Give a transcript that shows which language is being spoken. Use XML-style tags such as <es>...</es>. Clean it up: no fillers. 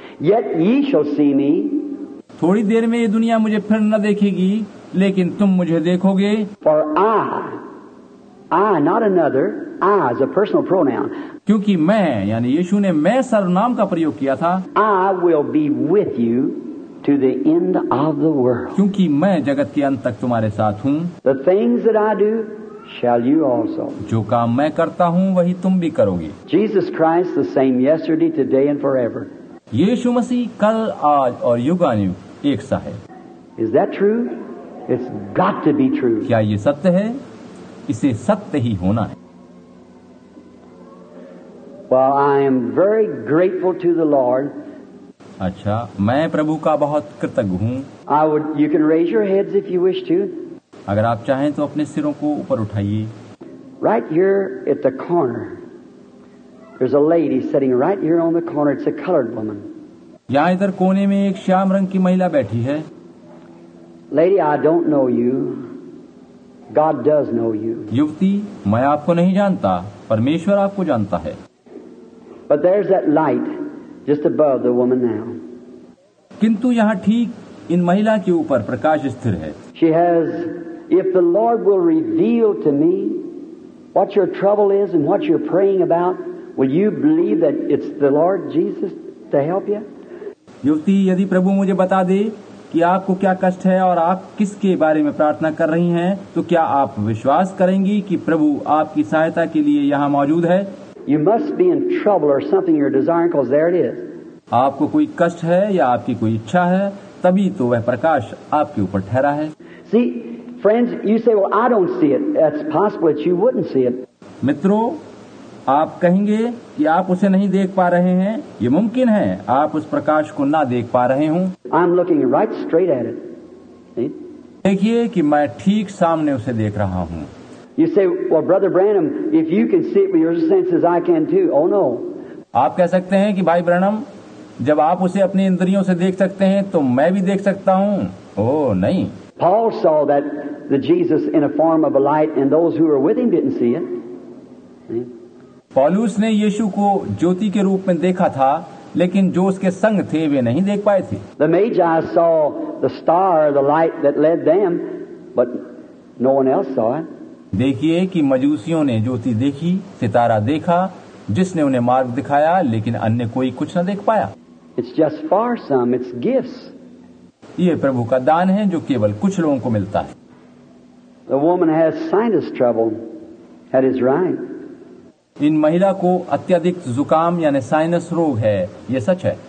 <en>Yet ye shall see me.</en> <hi>थोड़ी देर में ये दुनिया मुझे फिर न देखेगी, लेकिन तुम मुझे देखोगे।</hi> <en>For I, not another, I is a personal pronoun.</en> <hi>क्योंकि मैं, यानी यीशु ने मैं सर्वनाम का प्रयोग किया था।</hi> <en>I will be with you. To the end of the world.</en> <hi>क्योंकि मैं जगत के अंत तक तुम्हारे साथ हूँ।</hi> <en>The things that I do, shall you also.</en> <hi>जो काम मैं करता हूँ, वही तुम भी करोगे।</hi> <en>Jesus Christ, the same yesterday, today, and forever.</en> <hi>यीशु मसीह कल, आज और युगानुयुग एक सा है।</hi> <en>Is that true? It's got to be true.</en> <hi>क्या ये सत्य है? इसे सत्य ही होना है।</hi> <en>Well, I am very grateful to the Lord.</en> <hi>अच्छा, मैं प्रभु का बहुत कृतज्ञ हूँ।</hi> <en>You can raise your heads if you wish to.</en> <hi>अगर आप चाहें तो अपने सिरों को ऊपर उठाइए।</hi> <en>Right here at the corner, there's a lady sitting right here on the corner. It's a colored woman.</en> <hi>यहाँ इधर कोने में एक श्याम रंग की महिला बैठी है।</hi> <en>Lady, I don't know you. God does know you.</en> <hi>युवती, मैं आपको नहीं जानता, परमेश्वर आपको जानता है।</hi> <en>But there's that light. Just above the woman now.</en> <hi>किंतु यहाँ ठीक इन महिला के ऊपर प्रकाश स्थिर है।</hi> <en>She has, if the Lord will reveal to me what your trouble is and what you're praying about, will you believe that it's the Lord Jesus to help you?</en> <hi>युवती, यदि प्रभु मुझे बता दे कि आपको क्या कष्ट है और आप किसके बारे में प्रार्थना कर रही हैं, तो क्या आप विश्वास करेंगी कि प्रभु आपकी सहायता के लिए यहाँ मौजूद है?</hi> <en>You must be in trouble or something you're desiring, because there it is.</en> <hi>आपको कोई कष्ट है या आपकी कोई इच्छा है, तभी तो वह प्रकाश आपके ऊपर ठहरा है।</hi> <en>See, friends, you say, well, I don't see it. That's possible that you wouldn't see it.</en> <hi>मित्रों, आप कहेंगे कि आप उसे नहीं देख पा रहे हैं। ये मुमकिन है आप उस प्रकाश को ना देख पा रहे हों।</hi> <en>I'm looking right straight at it.</en> <hi>देखिए कि मैं ठीक सामने उसे देख रहा हूँ।</hi> <en>You say, well, Brother Branham, if you can see it with your senses, I can too. Oh, no.</en> <hi>आप कह सकते हैं कि भाई ब्रैनम, जब आप उसे अपनी इंद्रियों से देख सकते हैं, तो मैं भी देख सकता हूँ. Oh, नहीं.</hi> <en>Paul saw that the Jesus in a form of a light, and those who were with him didn't see it.</en> <hi>पौलुस ने यीशु को ज्योति के रूप में देखा था, लेकिन जो उसके संग थे, वे नहीं देख पाए थे.</hi> <en>The Magi saw the star, the light that led them, but no one else saw it.</en> <hi>देखिए कि मजूसियों ने ज्योति देखी, सितारा देखा जिसने उन्हें मार्ग दिखाया, लेकिन अन्य कोई कुछ न देख पाया।</hi> <en>It's just far some, it's gifts.</en> <hi>ये प्रभु का दान है जो केवल कुछ लोगों को मिलता है.</hi> <en>The woman has sinus trouble. That is right.</en> <hi>इन महिला को अत्यधिक जुकाम यानी साइनस रोग है, ये सच है.</hi>